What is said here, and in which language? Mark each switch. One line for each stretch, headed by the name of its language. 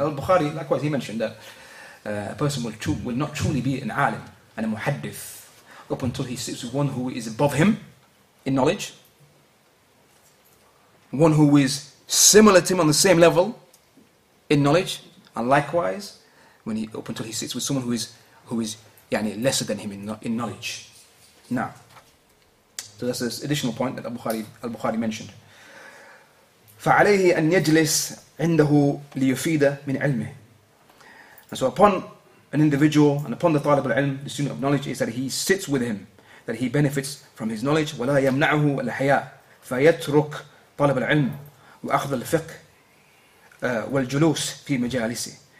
English: Al-Bukhari, likewise, he mentioned that a person will not truly be an alim and a muhaddith up until he sits with one who is above him in knowledge, one who is similar to him on the same level in knowledge, and likewise, up until he sits with someone who is yani lesser than him in knowledge. Now, so that's this additional point that Al-Bukhari mentioned.
Arabic: فعليه أن يجلس عنده ليفيد من علمه.
English: And so upon an individual and upon the طالب العلم, the student of knowledge, is that he sits with him, that he benefits from his knowledge.
Arabic: ولا يمنعه الحياء فيترك طالب العلم وأخذ الفقه والجلوس في مجالسه.